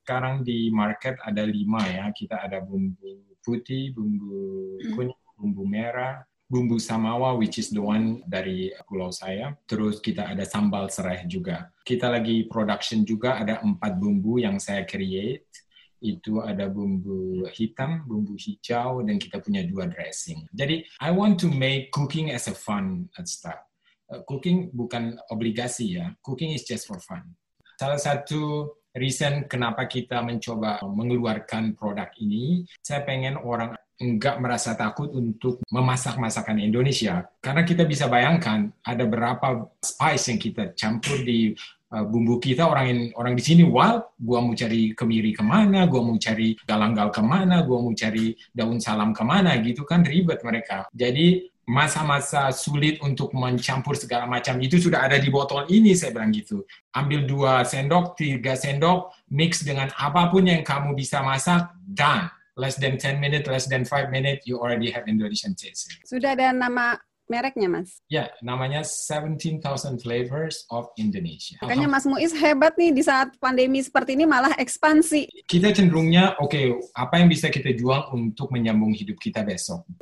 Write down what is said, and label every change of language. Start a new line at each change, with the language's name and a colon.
Indonesian: Sekarang di market ada 5 ya, kita ada bumbu putih, bumbu kuning, bumbu merah, bumbu samawa,
English: which is the one
Indonesian: dari pulau saya. Terus kita ada sambal serai juga. Kita lagi production juga, ada 4 bumbu yang saya create. Itu ada bumbu hitam, bumbu hijau, dan kita punya 2 dressing.
English: Jadi, I want to make cooking as a fun stuff. Cooking
Indonesian: bukan obligasi ya.
English: Cooking is just for fun.
Indonesian: Salah satu reason kenapa kita mencoba mengeluarkan produk ini, saya pengen orang nggak merasa takut untuk memasak masakan Indonesia. Karena kita bisa bayangkan ada berapa spice yang kita campur di bumbu kita. Orang di sini, wow, gua mau cari kemiri kemana, gua mau cari galanggal kemana, gua mau cari daun salam kemana, gitu kan ribet mereka. Jadi masa-masa sulit untuk mencampur segala macam itu sudah ada di botol ini, saya bilang gitu. Ambil 2 sendok, 3 sendok, mix dengan apapun yang kamu bisa masak, done.
English: Less than 10 minutes, less than 5 minutes, you already have Indonesian taste.
Indonesian: Sudah ada nama mereknya, Mas? Ya, namanya 17,000 Flavors of Indonesia. Makanya Mas Muiz hebat nih, di saat pandemi seperti ini malah ekspansi. Kita cenderungnya, oke, apa yang bisa kita jual untuk menyambung hidup kita besok?